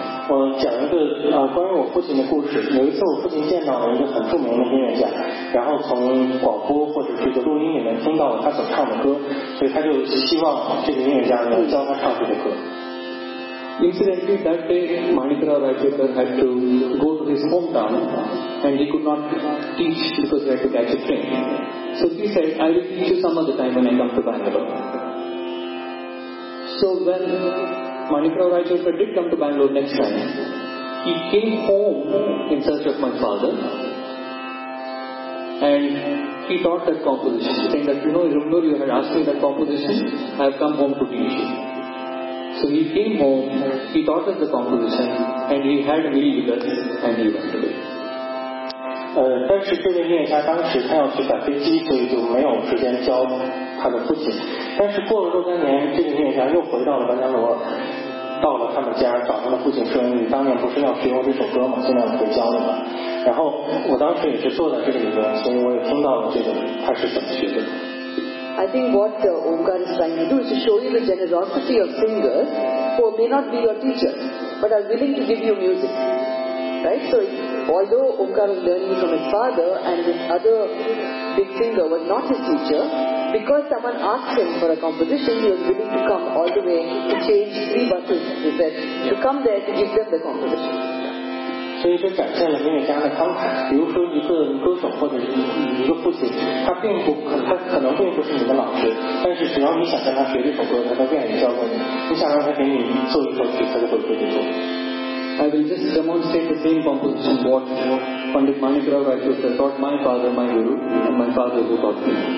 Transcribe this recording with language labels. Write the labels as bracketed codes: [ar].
[zh] 我讲一个关于我父亲的故事。有一次我父亲见到了一个很著名的音乐家，然后从广播或者这个录音里面听到他所唱的歌，所以他就希望这个音乐家能教他唱这个歌。 [en] Incidentally, that day, Manikarao Rajyakar had to go to his hometown and he could not teach because he had to catch a train. So he said, I will teach you some other time when I come to Bangalore. So when Manikarao Rajyakar did come to Bangalore next time, he came home in search of my father and he taught that composition, saying that, you know, Rumnur, you had asked me that composition, I have come home to teach you. So he came home, he taught us the composition, and he had a meal with us, and he went away. [zh] 但是这位音乐家当时他要去赶飞机，所以就没有时间教他的父亲。但是过了若干年，这个音乐家又回到了班加罗，到了他们家，找他的父亲说：“你当年不是要学我这首歌吗？现在我会教你了。” 然后我当时也是坐在这里的，所以我也听到了这个他是怎么学的。 [en] I think what Omkar is trying to do is to show you the generosity of singers who may not be your teacher but are willing to give you music. Right? So although Omkar was learning from his father and this other big singer was not his teacher, because someone asked him for a composition, he was willing to come all the way to change three buses, he said, to come there to give them the composition. [zh] 所以这展现了音乐家的慷慨。比如说一个歌手或者一个父亲，他可能并不是你的老师，但是只要你想跟他学这首歌，他都愿意教给你。你想让他给你做一首曲，他就会给你做。 [en] I will just demonstrate the same composition what Pandit Manikarao Rajyakar taught my father, my guru, and my father who taught me.